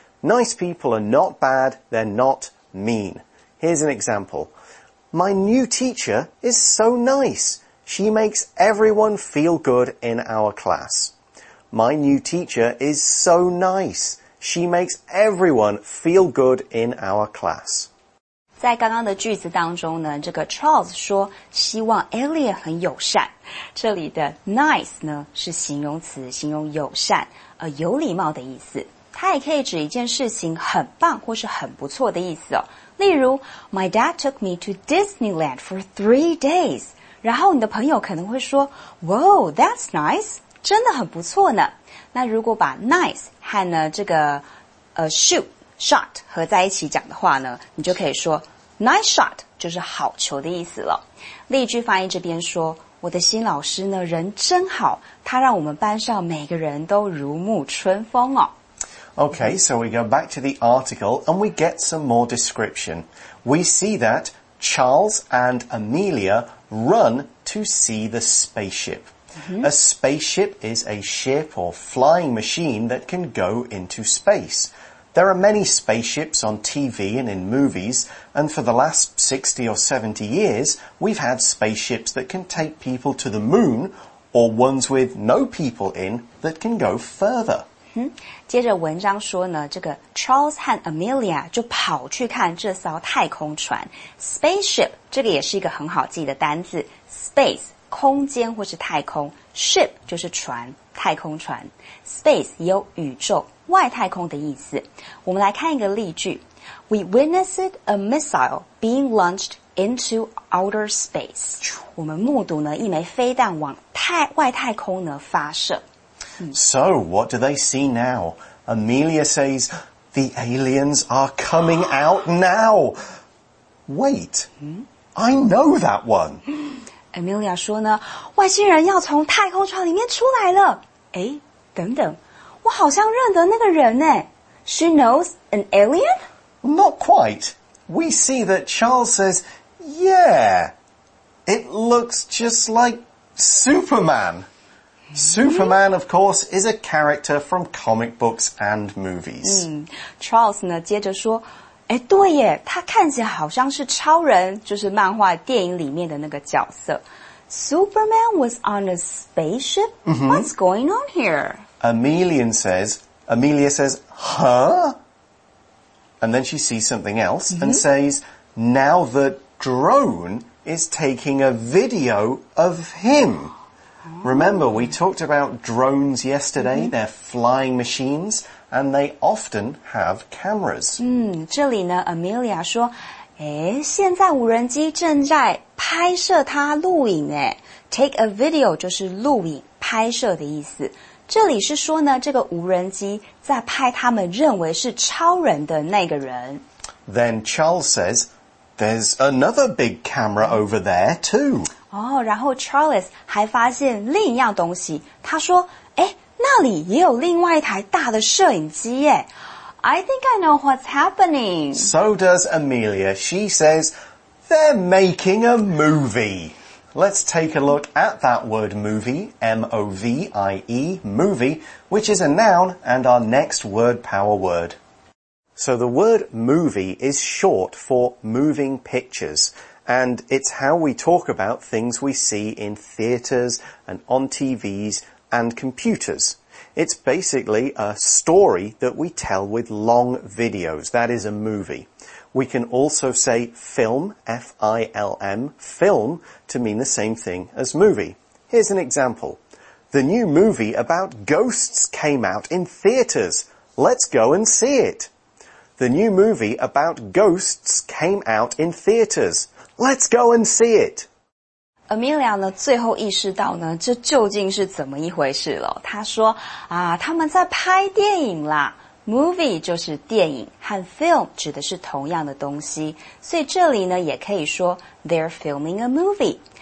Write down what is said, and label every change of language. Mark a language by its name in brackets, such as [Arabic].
[English] Nice people are not bad, they're not mean. Here's an example. My new teacher is so nice. She makes everyone feel good in our class. My new teacher is so nice. She makes everyone feel good in our class. [Chinese] 在刚刚的句子当中呢，这个 Charles 说希望 Elliot 很友善。这里的 nice 呢是形容词，形容友善，有礼貌的意思。它也可以指一件事情很棒或是很不错的意思哦。例如 [English] My dad took me to Disneyland for 3 days. [Chinese] 然后你的朋友可能会说 [English] Wow, that's nice. [Chinese] 真的很不错呢。那如果把 nice 和呢这个shot 合在一起讲的话呢，你就可以说 nice shot 就是好球的意思了。例句翻译这边说，我的新老师呢人真好，他让我们班上每个人都如沐春风哦。 [English] Okay, so we go back to the article and we get some more description. We see that Charles and Amelia run to see the spaceship. Mm-hmm. A spaceship is a ship or flying machine that can go into space. There are many spaceships on TV and in movies, and for the last 60 or 70 years, we've had spaceships that can take people to the moon or ones with no people in that can go further. [Chinese] 接着文章说呢，这个 Charles 和 Amelia 就跑去看这艘太空船 Spaceship， 这个也是一个很好记的单字 Space， 空间或是太空 Ship 就是船，太空船 Space 也有宇宙、外太空的意思。我们来看一个例句， [English] We witnessed a missile being launched into outer space. [Chinese] 我们目睹呢一枚飞弹往外太空呢发射。 [English] So, what do they see now? Amelia says, the aliens are coming out now. Wait, I know that one. [Chinese] Amelia 说呢，外星人要从太空船里面出来了。诶，等等，我好像认得那个人诶。 [English] She knows an alien? Not quite. We see that Charles says, yeah, it looks just like Superman. Superman, of course, is a character from comic books and movies. Charles 呢接着说，诶，对耶，他看起来好像是超人，就是漫画电影里面的那个角色。 Superman was on a spaceship? What's going on here? Amelia says, huh? And then she sees something else and says, now the drone is taking a video of him. Remember, we talked about drones yesterday. They're flying machines, and they often have cameras. [Chinese] 这里呢 ，Amelia 说，诶，现在无人机正在拍摄它录影诶。 [English] Take a video [Chinese] 就是录影、拍摄的意思。这里是说呢，这个无人机在拍他们认为是超人的那个人。 [English] Then Charles says, "There's another big camera over there too." [Chinese] 然后 Charles 还发现另一样东西，他说，诶，那里也有另外一台大的摄影机耶。 [English] I think I know what's happening. So does Amelia. She says, they're making a movie. Let's take a look at that word movie, M-O-V-I-E, movie, which is a noun and our next word power word. So the word movie is short for moving pictures. And it's how we talk about things we see in theatres and on TVs and computers. It's basically a story that we tell with long videos. That is a movie. We can also say film, F-I-L-M, film, to mean the same thing as movie. Here's an example. The new movie about ghosts came out in theaters. Let's go and see it. The new movie about ghosts came out in theaters. Let's go and see it. [Chinese] Amelia 呢最后意识到呢这究竟是怎么一回事了。她说啊他们在拍电影啦。Movie 就是电影和 film 指的是同样的东西。所以这里呢也可以说 [English] they're filming a movie。